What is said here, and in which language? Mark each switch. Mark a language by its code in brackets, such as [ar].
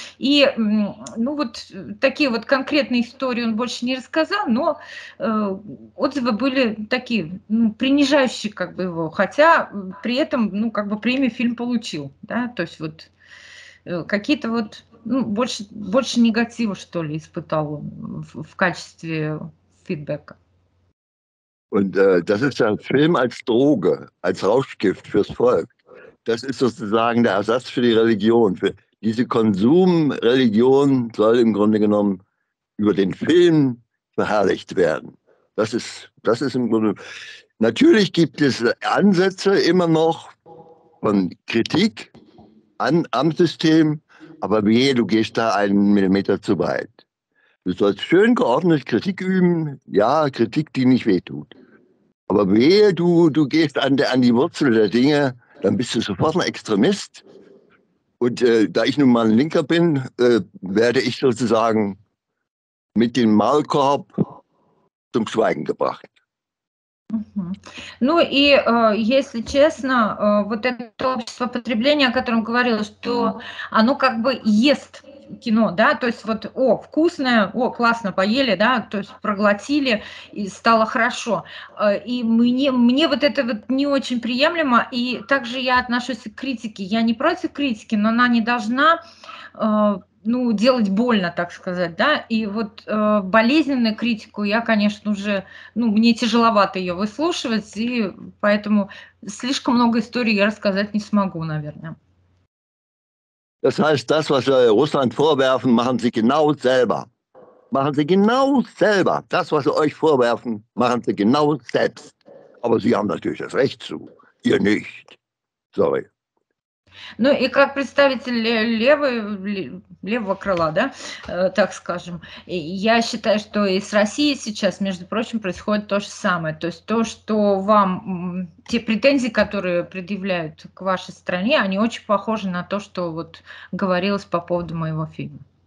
[ru] И ну вот такие вот конкретные истории он больше не рассказал, но отзывы были такие, ну, принижающие как бы его, хотя при этом ну как бы премию фильм получил, да, то есть вот какие-то вот ну, больше негатива что ли испытал он в качестве фидбэка. [de] Und das ist ja ein Film als Droge, als Rauschgift fürs Volk. Das ist sozusagen der Ersatz für die Religion. Für diese Konsumreligion soll im Grunde genommen über den Film verherrlicht werden. Das ist im Grunde. Natürlich gibt es Ansätze immer noch von Kritik am System, aber wie du gehst da einen Millimeter zu weit. Du sollst schön geordnet Kritik üben, ja, Kritik, die nicht wehtut. Aber wehe, du gehst an die Wurzel der Dinge, dann bist du sofort ein Extremist. Und da ich nun mal ein Linker bin, werde ich sozusagen mit dem Maulkorb zum Schweigen gebracht. [ru] Ну и, если честно, вот это общество потребления, о котором говорила, что оно как бы ест кино, да, то есть вот, о, вкусное, о, классно, поели, да, то есть проглотили, и стало хорошо. И мне вот это вот не очень приемлемо, и также я отношусь к критике. Я не против критики, но она не должна... ну, делать больно, так сказать, да, и вот болезненную критику я, конечно, уже, ну, мне тяжеловато ее выслушивать, и поэтому слишком много историй я рассказать не смогу, наверное. [de] Das heißt, das, was Russland vorwerfen, machen Sie genau selber. Machen Sie genau selber. Das, was Sie euch vorwerfen, machen Sie genau selbst. Aber Sie haben natürlich das Recht zu. Ihr nicht. Sorry. [ru] Ну и как представитель левого крыла, да, так скажем, я считаю, что и с Россией сейчас, между прочим, происходит то же самое. То есть то, что вам, те претензии, которые предъявляют к вашей стране, они очень похожи на то, что вот говорилось по поводу моего фильма.